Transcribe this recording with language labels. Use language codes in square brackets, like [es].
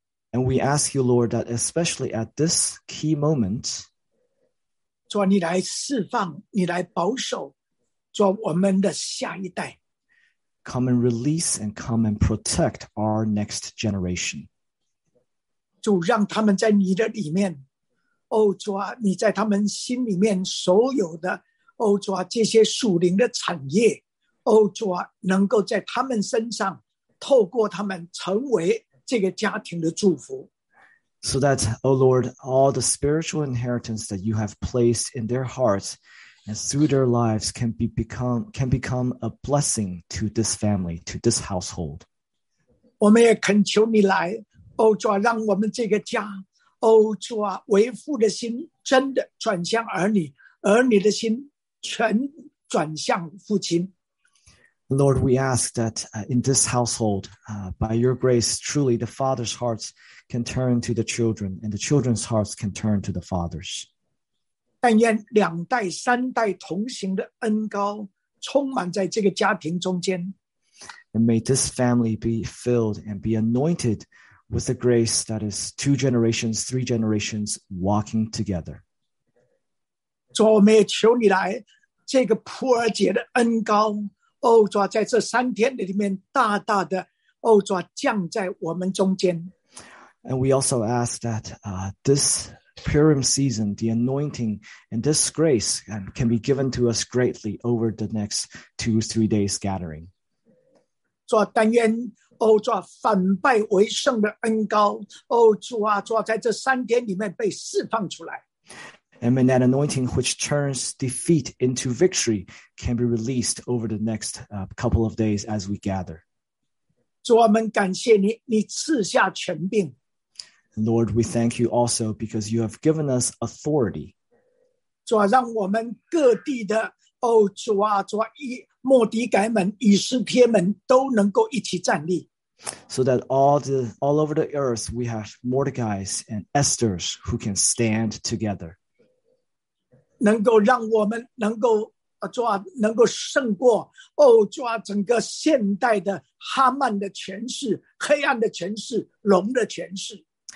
[en] And we ask you, Lord, that especially at this key moment, [zh] 主啊，你来释放，你来保守做我们的下一代。 [en] Come and release and come and protect our next generation. [zh] 主让他们在你的里面，哦主啊，你在他们心里面所有的，哦主啊，这些属灵的产业，哦主啊，能够在他们身上，透过他们成为这个家庭的祝福。 [en] So that, O Lord, all the spiritual inheritance that you have placed in their hearts and through their lives can become a blessing to this family, to this household. [zh] 我们也恳求你来，哦主啊，让我们这个家，哦主啊，为父的心真的转向儿女，儿女的心全转向父亲。 [en] Lord, we ask that in this household, by your grace, truly the father's hearts can turn to the children, and the children's hearts can turn to the fathers. [zh] 但愿两代、三代同行的恩膏充满在这个家庭中间。 [en] And may this family be filled and be anointed with the grace that is two generations, three generations walking together. [zh] 主，我们也求你来这个普尔节的恩膏。哦主啊，在这三天里面大大的，哦主啊，降在我们中间。 [en] And we also ask that this Purim season, the anointing and this grace can be given to us greatly over the next 2-3 days gathering. [zh] 主啊，但愿哦主啊，反败为胜的恩膏，哦主啊，主啊，在这三天里面被释放出来。 [en] And may that anointing which turns defeat into victory can be released over the next couple of days as we gather. [zh] 主，我们感谢你，你赐下权柄。 [en] Lord, we thank you also because you have given us authority. [zh] 主，让我们各地的，哦，主啊，主啊，莫迪改门、以斯帖门都能够一起站立。 [en] So that all over the earth we have Mordecais and Esthers who can stand together. [zh] 能够让我们能够主啊，能够胜过哦主啊，整个现代的哈曼的权势、黑暗的权势、龙的权势。